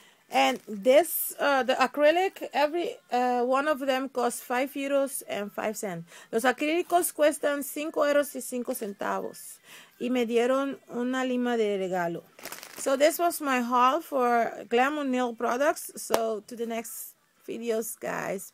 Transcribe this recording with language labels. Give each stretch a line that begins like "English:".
English: And this, the acrylic, every one of them costs 5 euros and 5 cents.
Spanish: Los acrílicos cuestan 5 euros y 5 centavos. Y me dieron una lima de regalo.
English: So this was my haul for Glamour Nail Products. So to the next videos, guys.